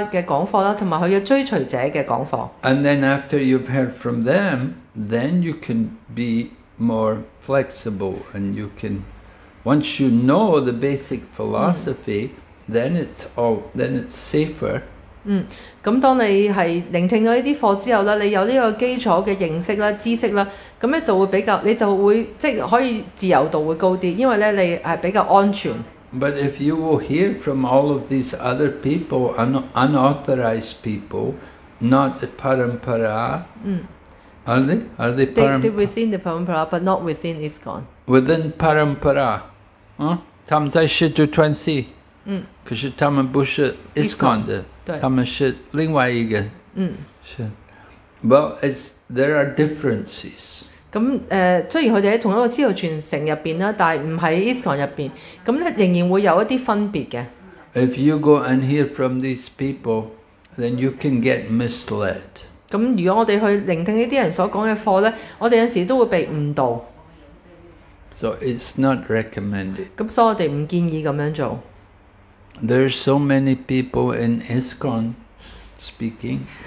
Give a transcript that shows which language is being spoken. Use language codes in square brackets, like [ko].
[zh] 我们是聆听圣帕帕的讲课和他追随者的讲课。 [en] And then after you've heard from them, then you can be more flexible, and you can, once you know the basic philosophy, then it's safer. [zh] 当你是聆听了这些课之后，你有这个基础的认识、知识，你就会比较，你就会即可以自由度会高一点，因为你是比较安全。 [en] But if you will hear from all of these other people, unauthorized people, not the parampara, Are they parampara? They're within the parampara, but not within ISKCON. Within parampara. They [zh] 在世界传世, 可是他们不是 ISKCON的, 他们是另外一个, [en] Well, there are differences. [zh] 虽然他们在同一个师父传承里面, 但不在ISKCON里面, 仍然会有一些分别的。 [en] If you go and hear from these people, then you can get misled. [zh] 如果我们去聆听这些人所说的课，我们有时都会被误导。 [en] So it's not recommended. [zh] 所以我们不建议这样做。 [en] There are so many people in ISKCON speaking.